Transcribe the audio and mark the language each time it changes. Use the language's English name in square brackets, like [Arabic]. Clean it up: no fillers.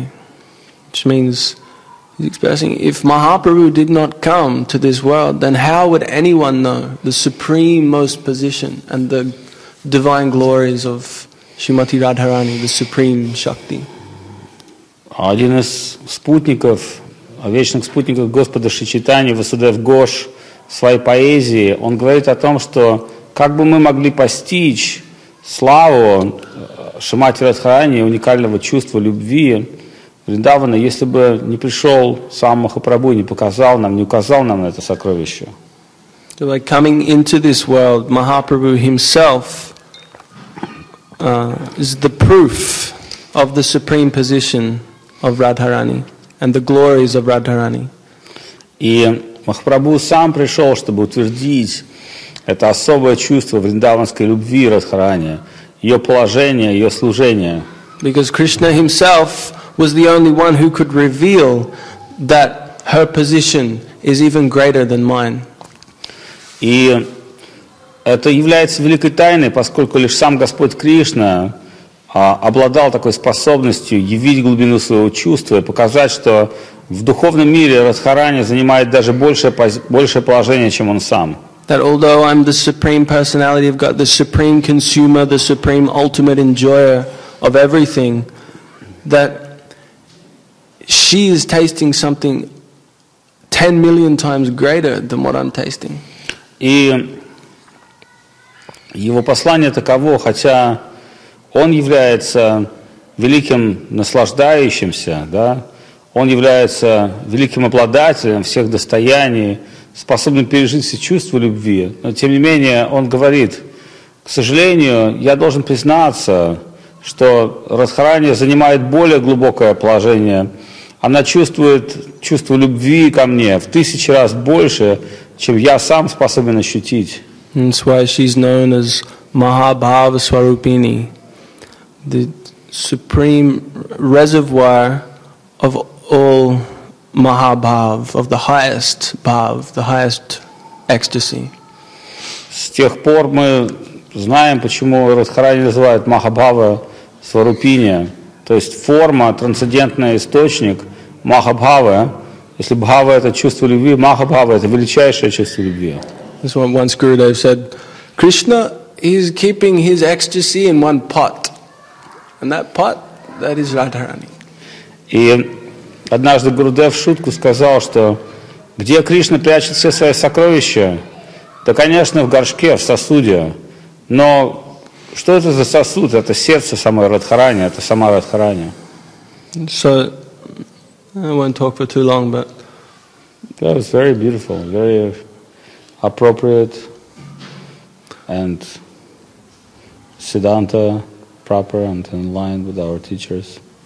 [English] Which means, he's expressing, if Mahaprabhu did not come to this world, then how would anyone know the supreme most position and the divine glories of Srimati Radharani, the supreme Shakti? [Russian] Один из спутников, вечных спутников Господа Шри Чайтаньи, Васудев Гош, в своей поэзии, он говорит о том, что как бы мы могли постичь славу Шримати Радхарани, уникального чувства любви Вриндавана, если бы не пришел сам Махапрабху, не показал нам, не указал нам на это сокровище. [English] So like coming into this world, Mahaprabhu himself is the proof of the supreme position of Radharani and the glories of Radharani. [Russian] И Махапрабху сам пришел, чтобы утвердить это особое чувство вриндаванской любви Радхарани, ее положение, ее служение. [English] Because Krishna himself was the only one who could reveal that her position is even greater than mine. [Russian] И это является великой тайной, поскольку лишь сам Господь Кришна обладал такой способностью явить глубину своего чувства и показать, что в духовном мире Радхарани занимает даже большее положение, чем он сам. [English] That although I'm the supreme personality, I've got the supreme consumer, the supreme ultimate enjoyer of everything, that she is tasting something 10 million times greater than what I'm tasting. [Russian] И его послание таково, хотя он является великим наслаждающимся, да, он является великим обладателем всех достояний, способным пережить все чувства любви, но тем не менее он говорит, к сожалению, я должен признаться, что Радхарани занимает более глубокое положение. Она чувствует чувство любви ко мне в тысячи раз больше, чем я сам способен ощутить. [English] That's why she's known as Mahabhava Swarupini, the supreme reservoir of all Mahabhav, of the highest bhav, the highest ecstasy. [Russian] С тех пор мы знаем, почему Радхарани называют Махабхава Сварупиния, то есть форма, трансцендентный источник Махабхавы. Если бхава — это чувство любви, Махабхава — это величайшее чувство любви. [English] This one, once Gurudev said, Krishna, he's keeping his ecstasy in one pot, and that pot, that is Radharani. [Russian] И однажды Гурудев в шутку сказал, что где Кришна прячет все свои сокровища? Да, конечно, в горшке, в сосуде. Но что это за сосуд? Это сердце самой Радхарани, это сама Радхарани. [English] So, I won't talk for too long, but... That was very beautiful, very appropriate and Siddhanta proper and in line with our teachers.